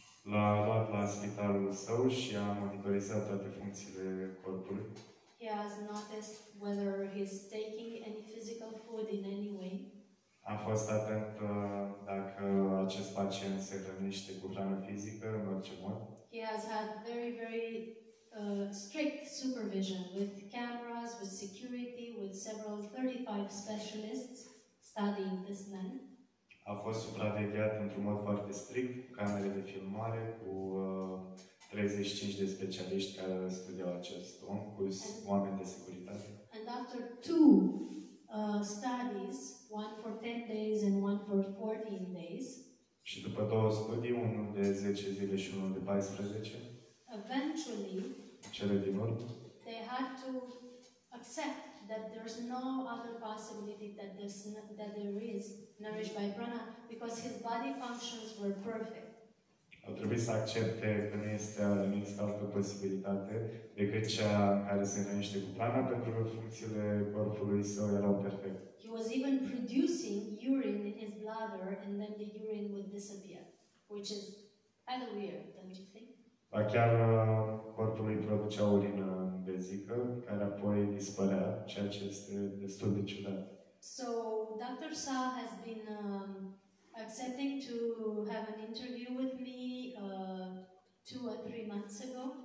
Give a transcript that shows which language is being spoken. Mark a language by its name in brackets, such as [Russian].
[Romanian] L-a luat la spitalul său și a monitorizat toate funcțiile corpului. [English] He has noticed whether he's taking any physical food in any way. [Romanian] A fost atent dacă acest pacient se hrănește cu hrană fizică în orice mod. [English] He has had very, very strict supervision with cameras, with security, with several 35 specialists studying this man. [Romanian] A fost supravegheat într-un mod foarte strict, cu camere de filmare, cu 35 de specialiști care studiau acest om, cu oameni de securitate. [English] And after two studies, one for 10 days and one for 14 days. [Romanian] Și după două studii, unul de 10 zile și unul de 14. [English] Eventually, [Romanian] cele din urmă, [English] they had to accept that there's no other possibility that this, that there is nourished by prana, because his body functions were perfect. [Romanian] Au trebuit să accepte că nu este nicio altă posibilitate decât cea care se hrănește cu prana, pentru că funcțiile corpului său erau perfecte. [English] He was even producing urine in his bladder, and then the urine would disappear, which is kind of weird, don't you think? [Romanian] Ba chiar corpul lui producea urină vezică, care apoi dispărea, ceea ce este destul de ciudat. [English] So, Dr. Sa has been accepting to have an interview with me 2 or 3 months ago.